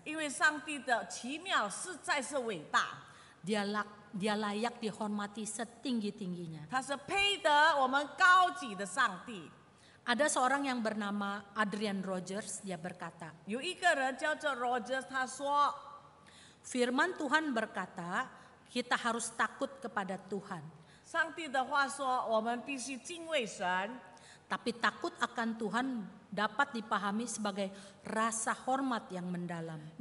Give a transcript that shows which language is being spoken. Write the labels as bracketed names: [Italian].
[Chinese] 因为上帝的奇妙实在是伟大。 [Indonesian] Dia layak dihormati setinggi-tingginya. [Chinese] 他是配得我们高级的上帝。 [Indonesian] Ada seorang yang bernama Adrian Rogers, dia berkata, [Chinese] 有一个人叫做Rogers，他说， [Indonesian] Firman Tuhan berkata, kita harus takut kepada Tuhan. [Chinese] 上帝的话说，我们必须敬畏神。 [Indonesian] Tapi takut akan Tuhan dapat dipahami sebagai rasa hormat yang mendalam.